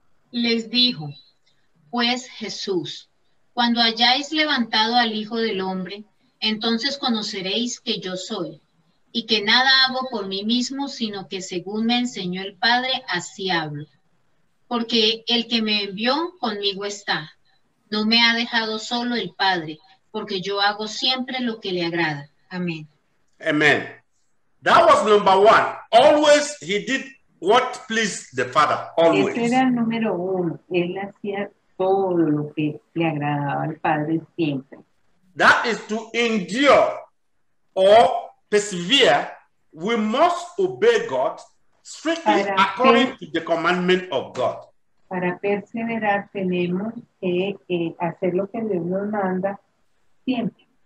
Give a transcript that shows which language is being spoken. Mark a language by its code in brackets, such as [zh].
[es] Les dijo, pues Jesús, cuando hayáis levantado al Hijo del Hombre, entonces conoceréis que yo soy, y que nada hago por mí mismo, sino que según me enseñó el Padre, así hablo. Porque el que me envió conmigo está, no me ha dejado solo el Padre, porque yo hago siempre lo que le agrada. Amén. [en] Amén. That was number one. Always he did what pleased the Father, always. [es] Ese era el número uno. Él hacía todo lo que le agradaba al Padre siempre. [en] That is to endure or persevere. We must obey God strictly para according to the commandment of God. [es] Para perseverar tenemos que hacer lo que Dios nos manda siempre.